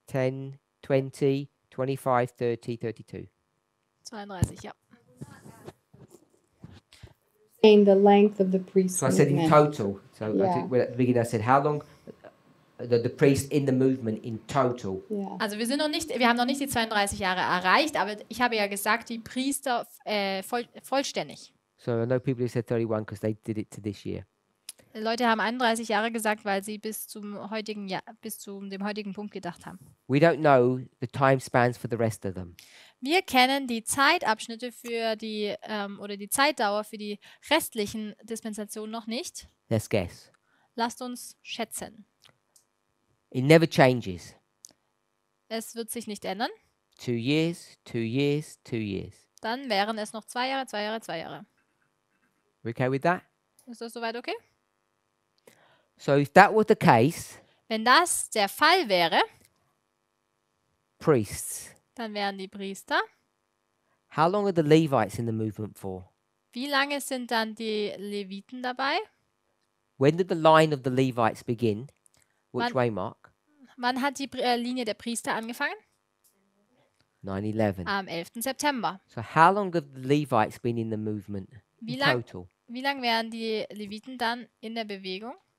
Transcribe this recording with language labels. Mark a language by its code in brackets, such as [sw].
[en] 10, 20, 25, 30, 32. 32, yep. In the length of the priest. So I said in total. So yeah. At the beginning I said how long the priest in the movement in total. Yeah. [de] Also wir haben noch nicht die 32 Jahre erreicht, aber ich habe ja gesagt, die Priester vollständig. [en] So I know people who said 31 because they did it to this year. [de] Leute haben 31 Jahre gesagt, weil sie bis zu dem heutigen Punkt gedacht haben. [en] We don't know the time spans for the rest of them. [de] Wir kennen die Zeitabschnitte für die oder die Zeitdauer für die restlichen Dispensationen noch nicht. [en] Let's guess. [de] Lasst uns schätzen. [en] It never changes. [de] Es wird sich nicht ändern. [en] 2 years, 2 years, 2 years. [de] Dann wären es noch 2 Jahre, 2 Jahre, 2 Jahre. [en] We okay with that? [de] Ist das soweit okay? [en] So if that were the case, [de] wenn das der Fall wäre, [en] priests, [de] dann wären die Priester. [en] How long are the Levites in the movement for? [de] Wie lange sind dann die Leviten dabei? [en] When did the line of the Levites begin? Which way, Mark? [de] Wann hat die Linie der Priester angefangen? [en] 9/11. [de] Am 11. September. [en] So how long have the Levites been in the movement? [de] Wie lange wären die Leviten dann in der Bewegung?